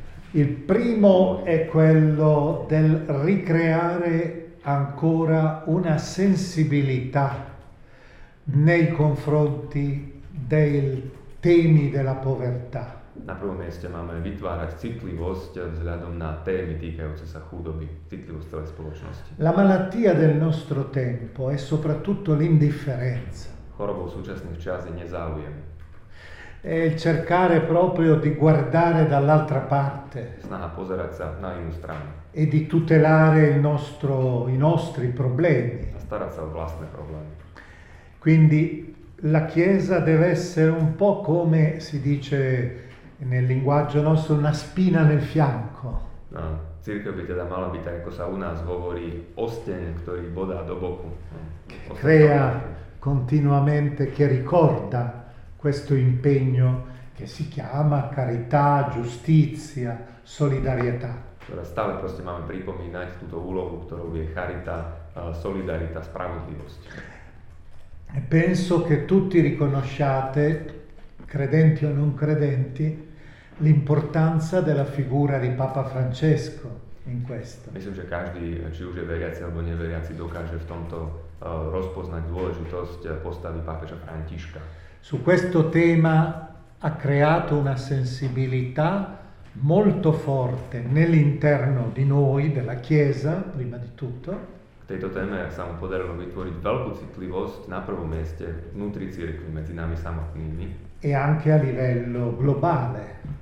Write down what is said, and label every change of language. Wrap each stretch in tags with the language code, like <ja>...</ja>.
<it>Il primo è quello del ricreare ancora una sensibilità nei confronti dei temi della povertà.</it> <sk>Na prvom mieste máme vytvárať citlivosť vzhľadom na témy týkajúce sa chudoby, citlivosť celej spoločnosti.</sk> <it>La malattia del nostro tempo è soprattutto l'indifferenza.</it> <sk>Chorobou súčasných čas je nezáujem.</sk> <it>E cercare proprio di guardare dall'altra parte.</it> <sk>Snaha pozerať sa na inú stranu.</sk> <it>E di tutelare il nostro, i nostri problemi.</it> <sk>A starať sa o vlastné problémy.</sk> <it>Quindi la Chiesa deve essere un po' come si dice nel linguaggio nostro, una spina nel fianco.</it> <sk>No, cirkev by teda mala byť, ako sa u nás hovorí, osteň, ktorý bodá do boku.</sk> <it>Crea continuamente, che ricorda questo impegno che si chiama carità, giustizia, solidarietà.</it> <sk>Teda stále proste máme pripomínať túto úlohu, ktorou je charita, solidarita, spravodlivosť.</sk> <it>Penso che tutti riconosciate, credenti o non credenti, l'importanza della figura di Papa Francesco in questo.</it> <sk>Myslím, že každý, či už je veriaci alebo neveriaci, dokáže v tomto rozpoznať dôležitosť postavy pápeža Františka.</sk> <it>Su questo tema ha creato una sensibilità molto forte nell'interno di noi, della Chiesa, prima di tutto.</it> <sk>K tejto téme sa mu podarilo vytvoriť veľkú citlivosť na prvom mieste vnútri cirkvi, medzi nami samotnými.</sk> <it>e anche a livello globale.</it>